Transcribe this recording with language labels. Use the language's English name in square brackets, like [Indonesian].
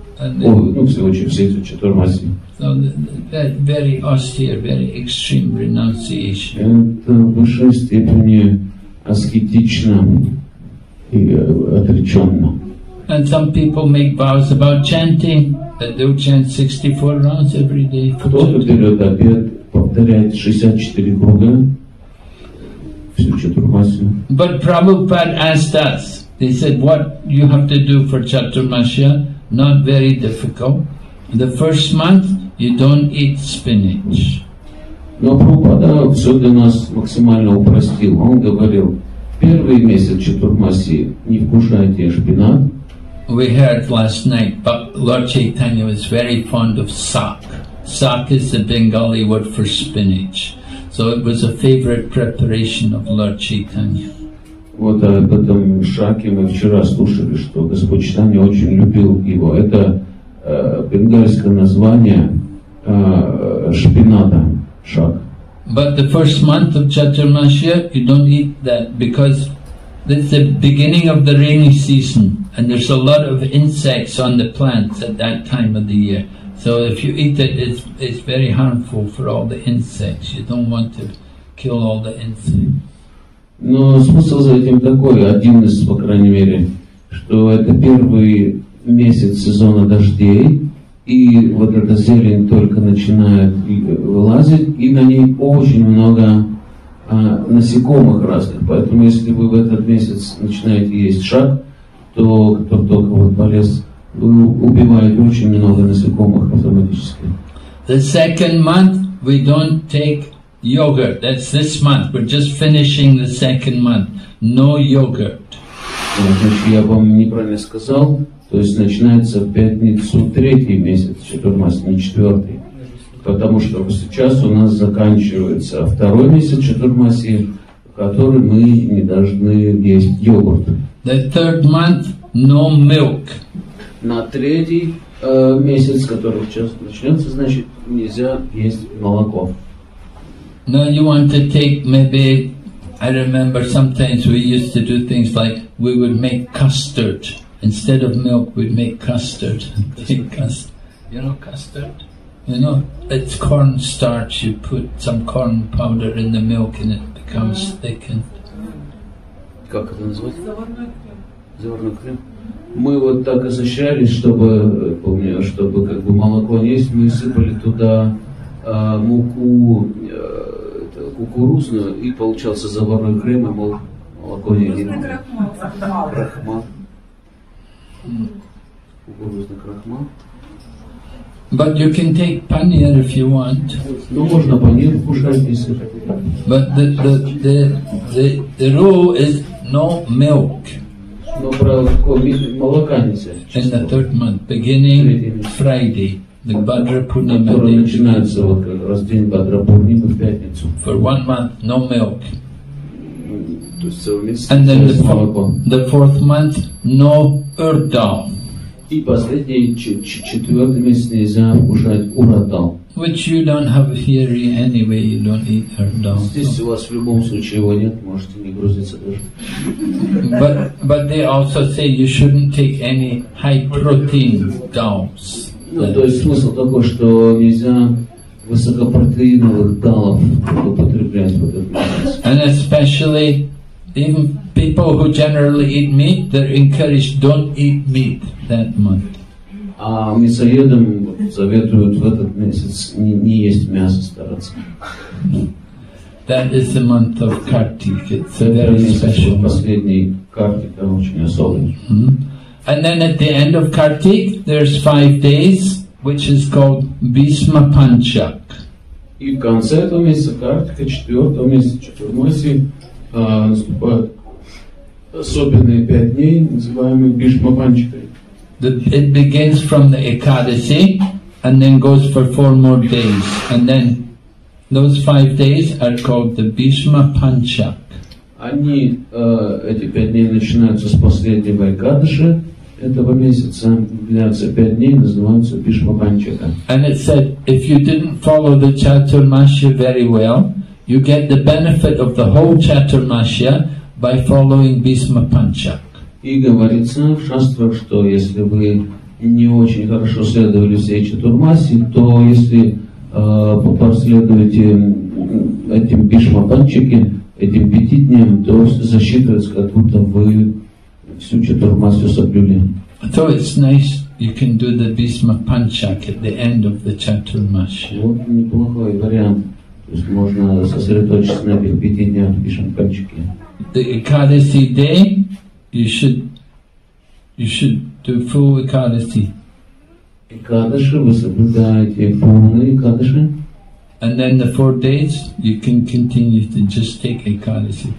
[Russian] Всего 4 месяца. [English] Very austere, very extreme renunciation. [Russian] Это в высшей степени аскетично и отреченно. [English] And some people make vows about chanting, that they'll chant 64 rounds every day. [Russian] Кто-то берет обет, повторяет 64 круга, всю чатурмасию. [English] But Prabhupada asked us, he said, what you have to do for чатурмасия, not very difficult. The first month, you don't eat spinach. [Russian] Но Прабхупада все для нас максимально упростил. Он говорил, первый месяц чатурмасии не вкушайте шпинат. [English] We heard last night, but Lord Chaitanya was very fond of saag. Saag is the Bengali word for spinach. So it was a favorite preparation of Lord Chaitanya. [Russian] Вот об этом шаке мы вчера слушали, что Господь Чайтанья очень любил его. Это бенгальское название шпината, шаг. [English] But the first month of Чатурмасия, you don't eat that because it's the beginning of the rainy season. And there's a lot of insects on the plants at that time of the year. So if you eat it, it's very harmful for all the insects. You don't want to kill all the insects. [Russian] Но смысл за этим такой, один из, по крайней мере, что это первый месяц сезона дождей, и вот эта зелень только начинает вылазить, и на ней очень много насекомых разных. Поэтому если вы в этот месяц начинаете есть шаг, то кто только вот полез, убивает очень много насекомых автоматически. [English] The second month we don't take yogurt. That's this month. We're just finishing the second month. No yogurt. [Russian] Значит, я вам неправильно сказал. То есть начинается в пятницу третий месяц, чатурмасия, не четвертый. Потому что сейчас у нас заканчивается второй месяц чатурмасии, в который мы не должны есть йогурт. [English] The third month, no milk. [Russian] На третий месяц, который сейчас начнется, значит, нельзя есть молоко. [English] Now you want to take maybe, I remember sometimes we used to do things like we would make custard. Instead of milk, we'd make custard. You know custard? You know, it's corn starch. You put some corn powder in the milk and it becomes thickened. [Russian] Как это называется? Заварной крем. Мы вот так изощрялись, чтобы, помню, чтобы как бы молоко не есть, мы сыпали туда муку кукурузную, и получался заварной крем, и молоко не есть. Кукурузный крахмал. Крахмал. Кукурузный крахмал. [English] But you can take paneer if you want. [Russian] Ну можно панир кушать, если. [English] But the rule is no milk. [Russian] Но правило молока нельзя. [English] In the third month, beginning Friday, the Bhadra Purnima day. [Russian] Который начинается вот как раз день Бхадра Пурнимы в пятницу. [English] For 1 month, no milk. [Russian] То есть целый месяц. [English] And then the fourth month, no urdal. [Russian] И последний четвертый месяц нельзя кушать урдал. [English] Which you don't have here anyway, you don't eat urdal. [Russian] Здесь у вас в любом случае его нет, можете не грузиться даже. [English] But they also say you shouldn't take any high protein dals. [Russian] Ну, то есть смысл такой, что нельзя высокопротеиновых далов употреблять в этот месяц. [English] And especially even people who generally eat meat, they're encouraged don't eat meat that month. [Russian] А мясоедам советуют в этот месяц не есть мясо стараться. [English] That is the month of Kartik. It's a very special [Russian] последний Kartik, очень особенный. [English] And then at the end of Kartik, there's 5 days which is called Bhishma Panchak. [Russian] И в конце этого месяца, как четвертого месяца, четвертого месяца, наступают особенные пять дней, называемые Бхишма Панчакой. [English] It begins from the Ekadasi and then goes for four more days. And then those five days are called the Bhishma Panchak. [Russian] Они, эти пять дней начинаются с последнего Экадаши этого месяца, длятся пять дней, называются Бхишма Панчака. [English] And it said, if you didn't follow the Chaturmasya very well, you get the benefit of the whole Chaturmasya by following Bhishma Panchak. [Russian] И говорится в шастрах, что если вы не очень хорошо следовали всей Чатурмасе, то если последуете этим Бхишма Панчаке, этим пяти дням, то засчитывается, как будто вы всю Чатурмасу соблюли. [English] So it's nice you can do the Bhishma Panchaka at the end of the Chaturmasya. [Russian] Вот неплохой вариант. То есть можно сосредоточиться на этих пяти днях Бхишма Панчаке. [English] The Ekadasi day, You should do full Ekadasi. [Russian] Ekadasi, вы соблюдаете полный Ekadasi. [English] And then the 4 days, you can continue to just take Ekadasi.